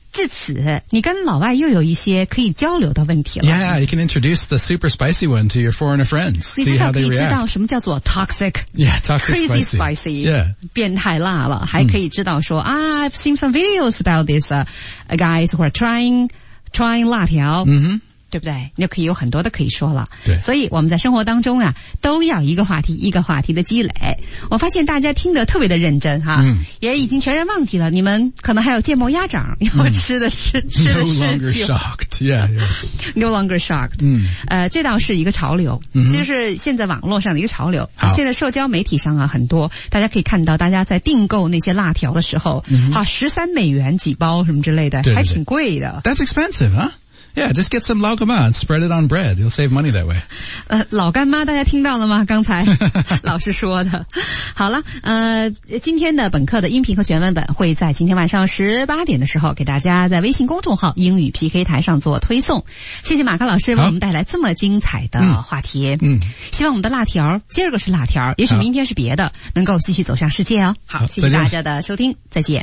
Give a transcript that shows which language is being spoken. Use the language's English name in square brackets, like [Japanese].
[Chinese] 至此，你跟老外又有一些可以交流的问题了。 [English] Yeah, you can introduce the super spicy one to your foreigner friends. [Chinese] 你至少可以知道什么叫做 toxic, [English] yeah, toxic crazy spicy, [Chinese] yeah. 变态辣了。还可以知道说、 [English] I've seen some videos about these、guys who are trying 辣条。 Mm-hmm. [Chinese] 对不对？你就可以有很多的可以说了。对，所以我们在生活当中啊，都要一个话题一个话题的积累。我发现大家听得特别的认真哈、也已经全然忘记了你们可能还有芥末鸭掌要吃的是、吃的事情。 [English] No longer shocked, yeah. No longer shocked. [Chinese] 这倒是一个潮流、就是现在网络上的一个潮流。现在社交媒体上啊，很多大家可以看到，大家在订购那些辣条的时候，好13美元几包什么之类的，对对对，还挺贵的。 [English] That's expensive, huh? Yeah, just get some 老干妈 and spread it on bread. You'll save money that way. [Chinese] 老干妈大家听到了吗？刚才老师说的。好了，今天的本课的音频和全文本会在今天晚上18点的时候给大家在微信公众号英语 PK 台上做推送。谢谢马克老师为我们带来这么精彩的话题。希望我们的辣条今儿个是辣条，也许明天是别的，能够继续走向世界哦。好，谢谢大家的收听，再见。